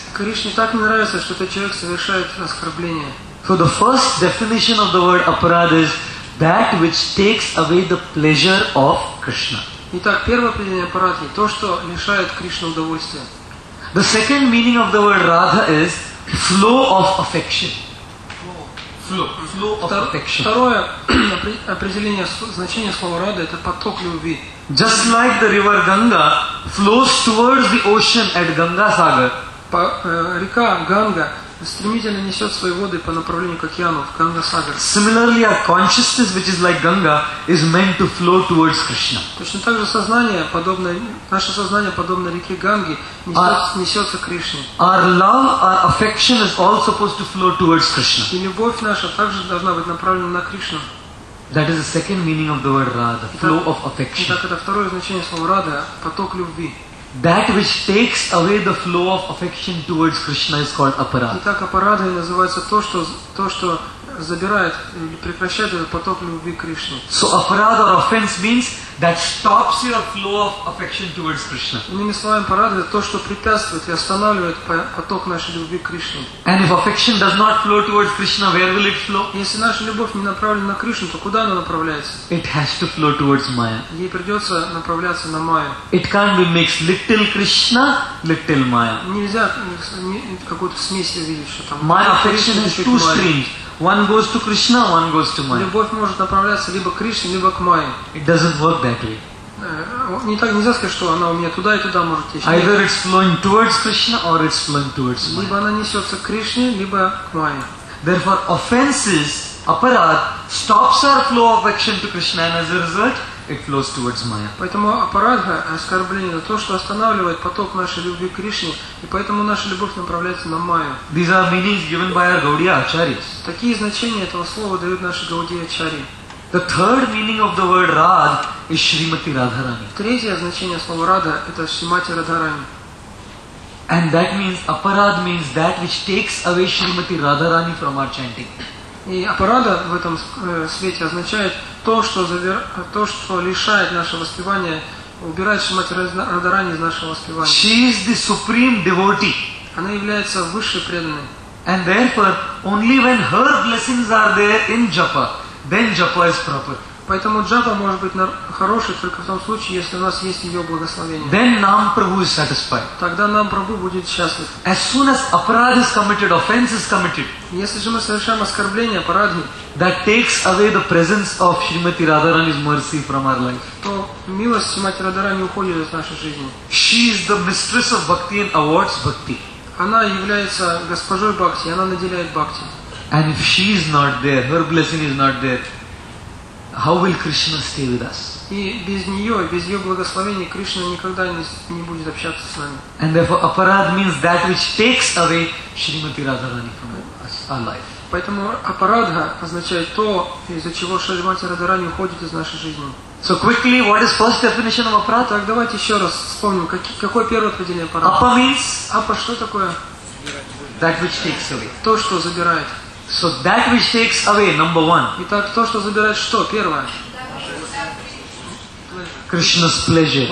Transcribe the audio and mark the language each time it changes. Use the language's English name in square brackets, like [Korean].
[Russian] Кришне так не нравится, что этот человек совершает оскорбление. [English] So the first definition of the word aparada is that which takes away the pleasure of Krishna. [Russian] Итак, первое определение аппарата – то, что лишает Кришны удовольствия. [English] The second meaning of the word radha is flow of affection. [Russian] Второе определение значения слова рада это поток любви. [English] Just like the river Ganga flows towards the ocean at Ganga Sagar. [Russian] Река Ганга стремительно несет свои воды по направлению к океану в Ганга Сагар. [English] Similarly, our consciousness, which is like Ganga, is meant to flow towards Krishna. [Russian] Точно так же сознание, подобное наше сознание, подобно реке Ганги, несется к Кришне. [English] Our love, our affection is all supposed to flow towards Krishna. [Russian] И любовь наша также должна быть направлена на Кришну. [English] That is the second meaning of the word Radha, flow of affection. [Russian] Итак, это второе значение слова Радха, поток любви. [English] That which takes away the flow of affection towards Krishna is called aparad. [Russian] Итак, апарадой называется то, что забирает или прекращает этот поток любви к Кришне. [English] So aparad or offense means that stops your flow of affection towards Krishna. [Russian] Иными словами, апарадой это то, что препятствует и останавливает поток нашей любви к Кришне. [English] And if affection does not flow towards Krishna, where will it flow? [Russian] Если наша любовь не направлена на Кришну, то куда она направляется? [English] It has to flow towards Maya. [Russian] Ей придется направляться на Майю. [English] It can't be mixed. Little Krishna, little Maya. [Russian] Нельзя какую-то смесь видеть, что там. [English] My affection has two streams. One goes to Krishna, one goes to Maya. [Russian] Любовь может направляться либо к Кришне, либо к Майе. [English] It doesn't work that way. [Russian] Не так, нельзя сказать, что она у меня туда и туда может течь. [English] Either it's flowing towards Krishna or it's flowing towards Maya. [Russian] Либо она несется к Кришне, либо к Майе. [English] Therefore, offenses, aparad, stops our flow of affection to Krishna and as a result, it flows towards Maya. [Russian] Поэтому апарадха, оскорбление, это то, что останавливает поток нашей любви к Кришне, и поэтому наша любовь направляется на Майю. [English] These are meanings given by our Gaudiya Acharyas. [Russian] Такие значения этого слова дают наши Gaudiya Acharyas. [English] The third meaning of the word Radha is Shrimati Radharani. [Russian] Третье значение слова Радха – это Шримати Радхарани. [English] And that means, aparad means that which takes away Shrimati Radharani from our chanting. [Russian] И аппарада в этом свете означает то, что лишает наше воспевание, убирает Шримати Радхарани из нашего воспевания. [English] She is the supreme devotee. [Russian] Она является высшей преданной. [English] And therefore, only when her blessings are there in japa, then japa is proper. [Russian] Поэтому джапа может быть хорошей только в том случае, если у нас есть ее благословение. [English] Then нам Прабху is satisfied. [Russian] Тогда нам Прабху будет счастлив. [English] As soon as aparad is committed, offense is committed. [Russian] Если же мы совершаем оскорбление, парадхи, [English] that takes away the presence of Shrimati Radharani's mercy from our life. [Russian] То милость Шримати Радхарани уходит из нашей жизни. [English] She is the mistress of bhakti and awards bhakti. [Russian] Она является госпожой бхакти, она наделяет бхакти. [English] And if she is not there, her blessing is not there. How will Krishna stay with us? [Russian] И без нее, без ее благословения, Кришна никогда не будет общаться с нами. [English] And therefore, aparad means that which takes away Shrimati Radharani from us, our life. [Russian] Поэтому aparadha означает то, из-за чего Шримати Радхарани уходит из нашей жизни. [English] So quickly, what is first definition of aparad? [Russian] Так, давайте еще раз вспомним, какое первое определение aparad? [English] Apa means? [Russian] Apa, что такое? [English] That which takes away. [Russian] То, что забирает. [English] So that which takes away, number one. [Russian] Итак, то, что забирает, что? Первое. [English] Krishna's pleasure.